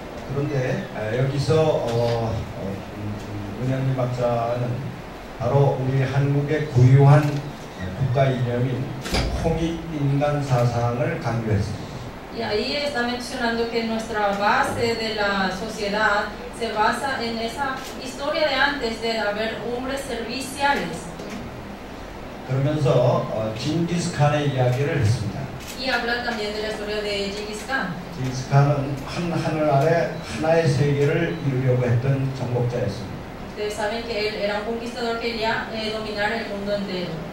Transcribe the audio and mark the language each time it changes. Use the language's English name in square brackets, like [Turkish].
[Korean] 그런데 여기서 은현님 박사는 바로 우리 한국의 고유한 국가 이념인 홍익인간 사상을 강조했습니다. [Spanish] Y ahí está mencionando que nuestra base de la sociedad se basa en esa historia de antes de haber hombres serviciales. [Korean] 그러면서 징기스칸의 이야기를 했습니다. [Spanish] Y habla también de la historia de Genghis Khan. [Korean] 징기스칸은 한 하늘 아래 하나의 세계를 이루려고 했던 정복자였습니다. [Spanish] Ustedes saben que él era un conquistador que quería dominar el mundo entero.